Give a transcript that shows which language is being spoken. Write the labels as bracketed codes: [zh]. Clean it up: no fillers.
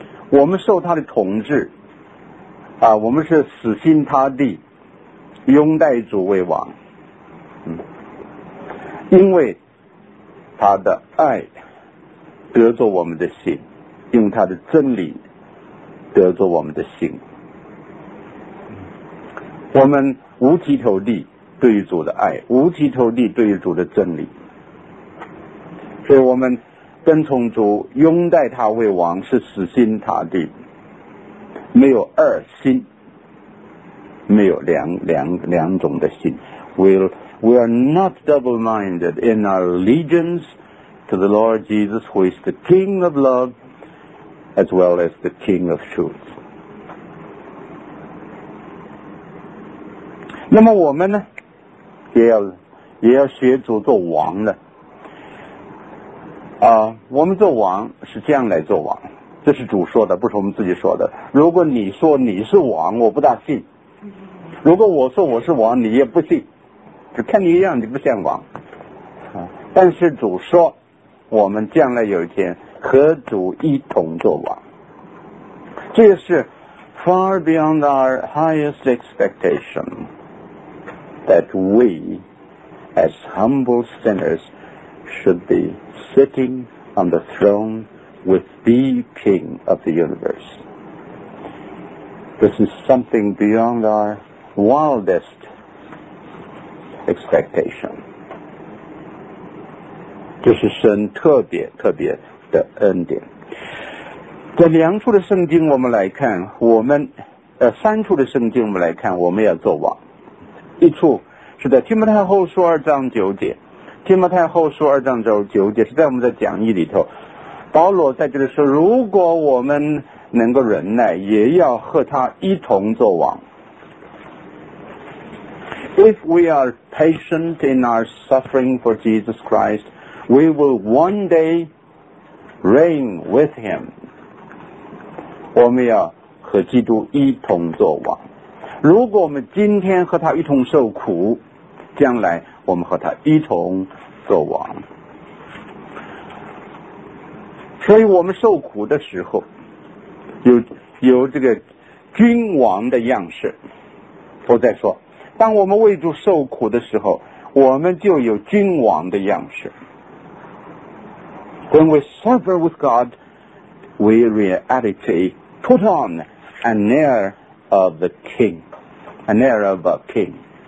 [zh] 我们受他的统治啊，我们是死心塌地拥戴主为王，因为他的爱得着我们的心，用他的真理得着我们的心，我们五体投地对于主的爱，五体投地对于主的真理。所以我们跟从主，拥戴他为王，是死心塌地，没有二心，没有两种的心。 [en] We are not double minded in our allegiance to the Lord Jesus, who is the King of loveas well as the King of Truth. [zh] 那么我们呢，也要学主做王的。我们做王是这样来做王，这是主说的，不是我们自己说的。如果你说你是王，我不大信；如果我说我是王，你也不信，只看你一样，你不像王。但是主说，我们将来有一天和主一同做王，这是 [en] far beyond our highest expectation that we as humble sinners should be sitting on the throne with the King of the universe. This is something beyond our wildest expectation. [zh] 这是神特别特别的恩典。在两处的圣经我们来看，我们三处的圣经我们来看，我们要做王。一处是在提摩太后书二章九节，提摩太后书二章九节是在我们的讲义里头，保罗在这里说，如果我们能够忍耐，也要和他一同作王。 [en] If we are patient in our suffering for Jesus Christ, we will one day reign with him. [zh] 我们要和基督一同作王。如果我们今天和他一同受苦，将来我们和他一同作王。所以我们受苦的时候有这个君王的样式。我再说，当我们为主受苦的时候，我们就有君王的样式。 [en] When we suffer with God, we reality put on an air of the king, an air of a king.